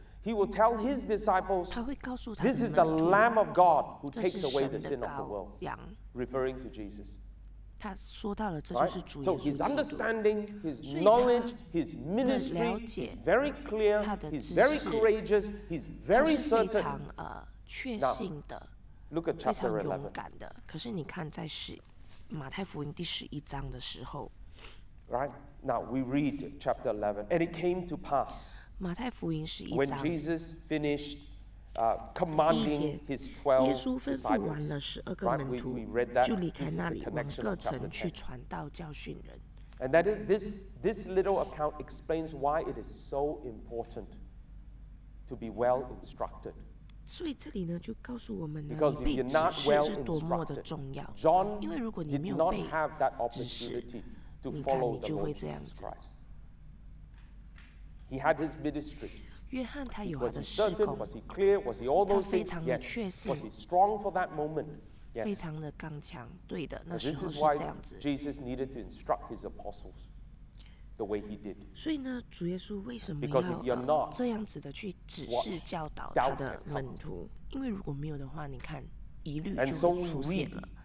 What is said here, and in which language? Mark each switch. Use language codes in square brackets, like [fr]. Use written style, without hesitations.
[en] He will tell his disciples, this is the Lamb of God who takes away the sin of the world, referring to Jesus. [zh] 他说到了，这就是主耶稣基督。 [en] So his understanding, his knowledge, his ministry, very clear, he's very courageous, he's very certain. [zh] 确信的，非常勇敢的。可是你看，在马太福音第十一章的时候 [en] ，Right now we read chapter 11, and it came to pass. [zh] 马太福音十一章。 [en] When Jesus finished. Commanding his 12 disciples, right? We read that. [zh] 就离开那里，我们各城去传道教训人。 [en] And that is this little account explains why it is so important to be well instructed. [zh] 所以这里呢，就告诉我们呢， [en] Because if you're not well instructed, John did not have that opportunity to follow the Lord Jesus Christ. He had his ministry. [zh] 约翰他有他的事工， [en] was he clear? Was he all those things? [zh] 他非常的确信。 [en] Was he strong for that moment? Yes. [zh] 非常的刚强，对的，那时候是这样子。 [en] Jesus needed to instruct his apostles the way he did. [zh] 所以呢，主耶稣为什么要这样子的去指示教导他的门徒？因为如果没有的话，你看疑虑就会出现了。